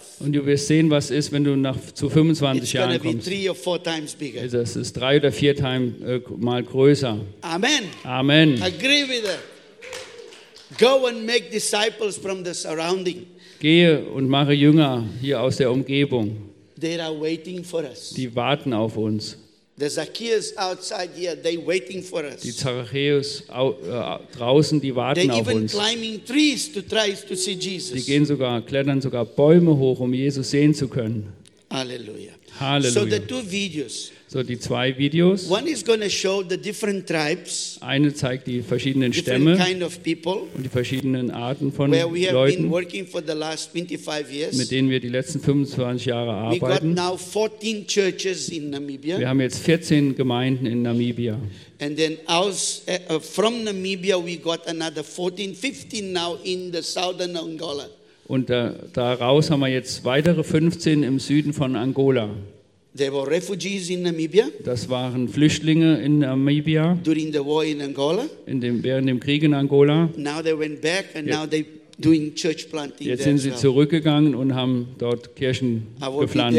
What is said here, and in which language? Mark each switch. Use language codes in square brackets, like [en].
[de] Und du wirst sehen, was ist, wenn du zu 25 Jahren kommst. [en] It's gonna be 3 or 4 times bigger. [de] Das ist 3 oder 4 times mal größer. [en] Amen. [de] Amen. [en] Agree with it. Go and make disciples from the surrounding. [de] Gehe und mache Jünger hier aus der Umgebung. [en] They are waiting for us. [de] Die warten auf uns. [en] The Zacchaeus outside here, they waiting for us. [de] Die Zacchaeus draußen, die warten [en] they [de] auf [en] even [de] uns. [en] Climbing trees to try to see Jesus. [de] Die gehen sogar, klettern sogar Bäume hoch, um Jesus sehen zu können. [en] Halleluja. [de] Halleluja. [en] So the two videos. [de] So die zwei Videos. [en] One is gonna show the different tribes. [de] Eine zeigt die verschiedenen Stämme [en] kind of people, [de] und die verschiedenen Arten von [en] where we have [de] Leuten, [en] been working for the last 25 years. [de] Mit denen wir die letzten 25 Jahre arbeiten. [en] We got now 14 churches in Namibia. [de] Wir haben jetzt 14 Gemeinden in Namibia. [en] And then from Namibia we got another 14, 15 now in the southern Angola. [de] Und daraus haben wir jetzt weitere 15 im Süden von Angola. [en] There were refugees in Namibia. [de] Das waren Flüchtlinge in Namibia. [en] During the war in Angola. [de] Während dem Krieg in Angola. [en] Now they went back and now they doing church planting. [de] Jetzt sind sie zurückgegangen und haben dort Kirchen gepflanzt.